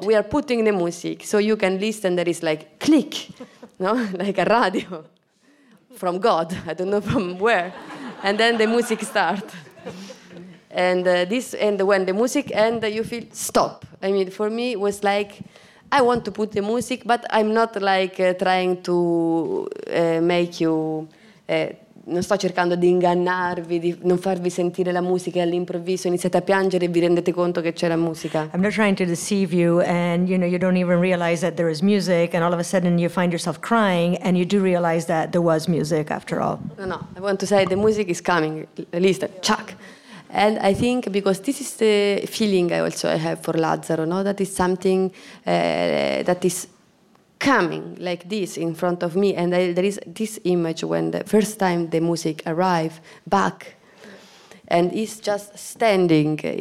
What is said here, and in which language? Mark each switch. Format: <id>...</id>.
<en>So we are putting the music, so you can listen, there is like click, no, like a radio from God, I don't know from where, and then the music starts. And when the music ends, you feel stop. I mean, for me, it was like I want to put the music, but I'm not like trying to make you.</en> <it>Non sto cercando di ingannarvi, di non farvi sentire la musica e all'improvviso iniziate a piangere e vi rendete conto che c'è la musica.</it> <en>I'm not trying to deceive you, and you know you don't even realize that there is music, and all of a sudden you find yourself crying, and you do realize that there was music after all. No, no, I want to say the music is coming, listen, chuck. And I think because this is the feeling I also have for Lazzaro, no, that is something that is coming like this in front of me, and there is this image when the first time the music arrived back, and he's just standing.</en>